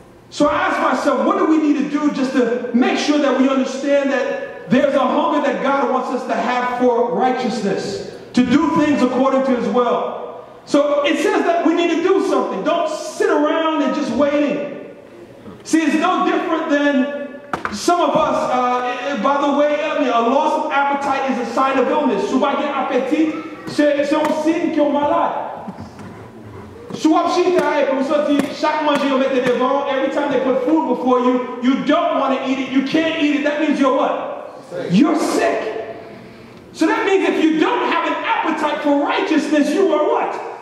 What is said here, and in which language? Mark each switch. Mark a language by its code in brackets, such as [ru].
[en] So I ask myself, what do we need to do just to make sure that we understand that there's a hunger that God wants us to have for righteousness, to do things according to His will. So it says that we need to do something. Don't sit around and just waiting. See, it's no different than some of us. By the way, I mean, a loss of appetite is a sign of illness. [fr] Subagé appétit, c'est un signe qu'on est malade. [en] Every time they put food before you, you don't want to eat it. You can't eat it. That means you're what? Sick. You're sick. So that means if you don't have an appetite for righteousness, you are what?